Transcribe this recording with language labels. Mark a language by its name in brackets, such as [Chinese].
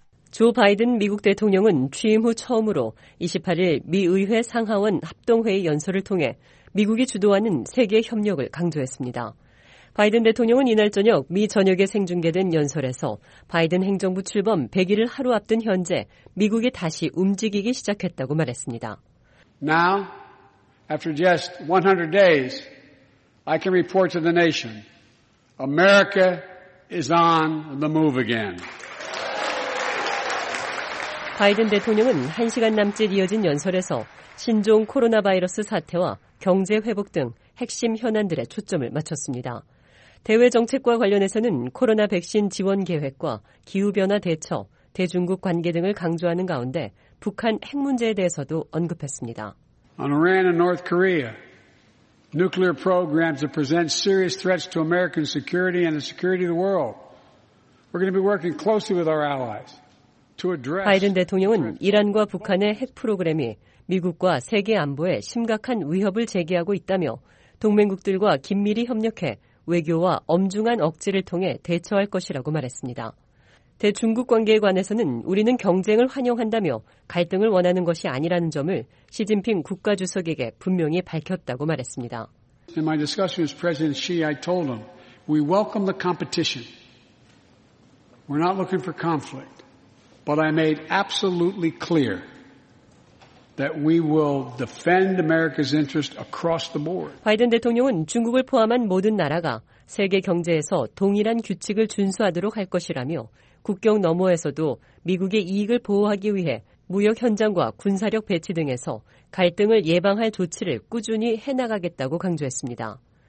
[Korean] 조 바이든 미국 대통령은 취임 후 처음으로 28일 미 의회 상하원 합동회의 연설을 통해 미국이 주도하는 세계 협력을 강조했습니다. 바이든 대통령은 이날 저녁 미 전역에 생중계된 연설에서 바이든 행정부 출범 100일을 하루 앞둔 현재 미국이 다시 움직이기 시작했다고 말했습니다. [English] Now, after just 100 days, I can report to the nation, America is on the move again. [Korean] 바이든 대통령은 1시간 남짓 이어진 연설에서 신종 코로나 바이러스 사태와 경제 회복 등 핵심 현안들에 초점을 맞췄습니다. 대외 정책과 관련해서는 코로나 백신 지원 계획과 기후변화 대처, 대중국 관계 등을 강조하는 가운데 북한 핵 문제에 대해서도 언급했습니다. [English] On Iran and North Korea, nuclear programs that present serious threats to American security and the security of the world. We're going to be working closely with our allies. [Korean] 바이든 대통령은 이란과 북한의 핵 프로그램이 미국과 세계 안보에 심각한 위협을 제기하고 있다며 동맹국들과 긴밀히 협력해 외교와 엄중한 억지를 통해 대처할 것이라고 말했습니다. 대중국 관계에 관해서는 우리는 경쟁을 환영한다며 갈등을 원하는 것이 아니라는 점을 시진핑 국가주석에게 분명히 밝혔다고 말했습니다. [English] In my discussion with President Xi, I told him, we welcome the competition. We're not looking for conflict. But I made absolutely clear that we will defend America's interest across the board. [Korean] 바이든 대통령은 중국을 포함한 모든 나라가 세계 경제에서 동일한 규칙을 준수하도록 할 것이라며 국경 너머에서도 미국의 이익을 보호하기 위해 무역 현장과 군사력 배치 등에서 갈등을 예방할 조치를 꾸준히 해나가겠다고 강조했습니다.